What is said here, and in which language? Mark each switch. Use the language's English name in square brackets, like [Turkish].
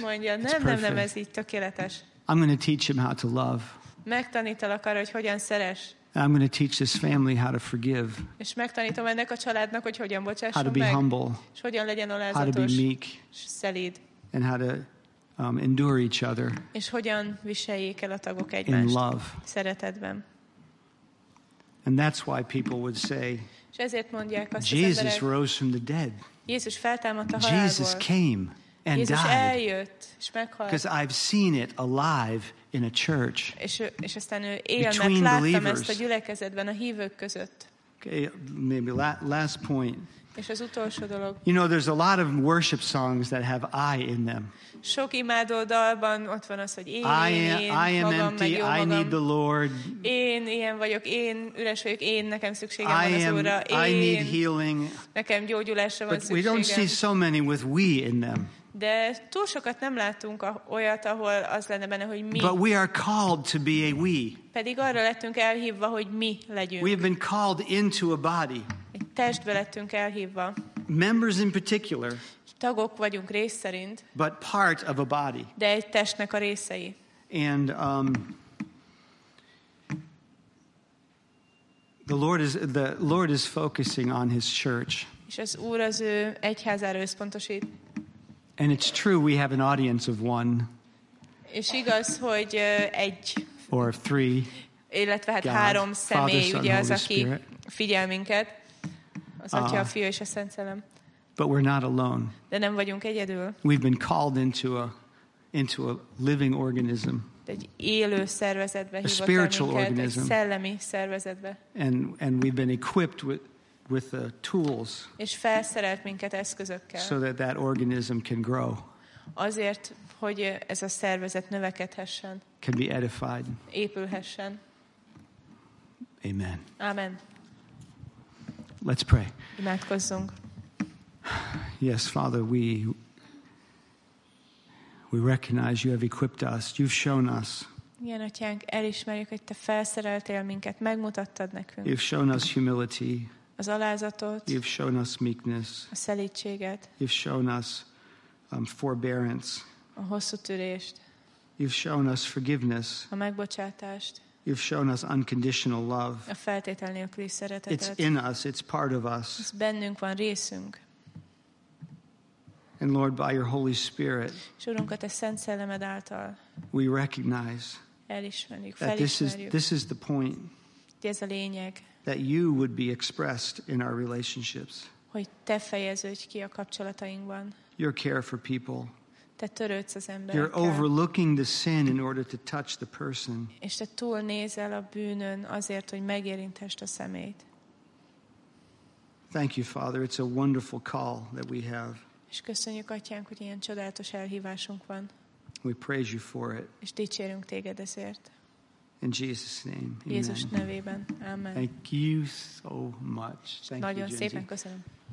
[Hungarian] Mondja, nem, ez így tökéletes. [English] I'm going to teach him how to love. [Hungarian] Megtanítalak arra, hogy hogyan szeres. [English] I'm going to teach this family how to forgive. [Hungarian] És megtanítom ennek a családnak, hogy hogyan bocsásson meg. [English] How to be humble. [Hungarian] És hogyan legyen alázatos. [English] How to be meek. [Hungarian] És szelíd. [English] And how to endure each other. [Hungarian] És hogyan viseljék el a tagok egymást. [English] In love. [Hungarian] Szeretetben. [English] And that's why people would say, [Hungarian] és ezért mondják azt [English] Jesus [Hungarian] az emberek, [English] rose from the dead. [Hungarian] Jézus feltámadt a halálból. [English] Jesus came and [Hungarian] Jézus [English] died. [Hungarian] Eljött, és meghalt. [English] Because I've seen it alive in a church. [Hungarian] És aztán ő él, mert láttam [English] believers, [Hungarian] ezt a gyülekezetben, a hívők között. [English] Okay, maybe last point. [Hungarian] És az utolsó dolog. [English] You know, there's a lot of worship songs that have I in them. [Hungarian] Sok imádó dalban ott van az, hogy [English] I am empty, [Hungarian] magam. [English] I need the Lord. [Hungarian] Én ilyen vagyok, én üres vagyok, én nekem szükségem van az Úrra. [English] I need healing. [Hungarian] Nekem gyógyulásra van szükségem. [English] But we don't see so many with we in them. [Hungarian] De túl sokat nem látunk olyat, ahol az lenne benne, hogy mi. [English] But we are called to be a we. [Hungarian] Pedig arra lettünk elhívva, hogy mi legyünk. [English] We have been called into a body. [Hungarian] Egy testbe lettünk elhívva. [English] Members in particular. [Hungarian] Tagok vagyunk rész szerint. [English] But part of a body. [Hungarian] De egy testnek a részei. [English] And the Lord is focusing on His church. [Hungarian] És az Úr az ő egyházára összpontosít. [English] And it's true we have an audience of one. [Hungarian] És igaz, hogy egy. [English] Or of three. [Hungarian] Illetve hát három személy, ugye az, aki figyel minket. Az Atya, a Fiú és a Szent Szellem. [English] But we're not alone. [Hungarian] De nem vagyunk egyedül. [English] We've been called into a living organism. [Hungarian] Egy élő szervezetbe hívott minket, [English] organism. [Hungarian] Egy szellemi szervezetbe. [English] And we've been equipped with the tools. [Hungarian] És felszerelt minket eszközökkel. [English] So that organism can grow. [Hungarian] Azért, hogy ez a szervezet növekedhessen. [English] Can be edified. [Hungarian] Épülhessen. [English] Amen. [Hungarian] Amen. [English] Let's pray. [Hungarian] Imádkozzunk. [English] Yes, Father, we recognize you have equipped us. You've shown us. [Hungarian] Igen, Atyánk, elismerjük, hogy te felszereltél minket, megmutattad nekünk. [English] You've shown us humility. [Hungarian] Az alázatot. [English] You've shown us meekness. [Hungarian] A szelítséget. [English] You've shown us forbearance. [Hungarian] A hosszú törést. [English] You've shown us forgiveness. [Hungarian] A megbocsátást. [English] You've shown us unconditional love. [Hungarian] A feltétel nélküli szeretetet. [English] It's in us. It's part of us. [Hungarian] Ez bennünk van, részünk. [English] And Lord, by your Holy Spirit, [Hungarian] Urunkat, a Szent Szellemed által, [English] we recognize [Hungarian] elismerjük, [English] that this is the point, [Hungarian] ez a lényeg, [English] that you would be expressed in our relationships. [Hungarian] Hogy te fejeződj ki a kapcsolatainkban. [English] Your care for people. [Hungarian] Te törődsz az emberekkel. [English] You're overlooking the sin in order to touch the person. [Hungarian] És te túlnézel a bűnön azért, hogy megérinthesd a szemét. [English] Thank you, Father. It's a wonderful call that we have. [Hungarian] És köszönjük, Atyánk, hogy ilyen csodálatos elhívásunk van. [English] We praise you for it. [Hungarian] És dicsérünk téged ezért. [English] In Jesus' name. [Hungarian] Jézus nevében. Amen. [English] Thank you so much. Thank [Hungarian] Nagyon [English] you, [Hungarian] szépen köszönöm.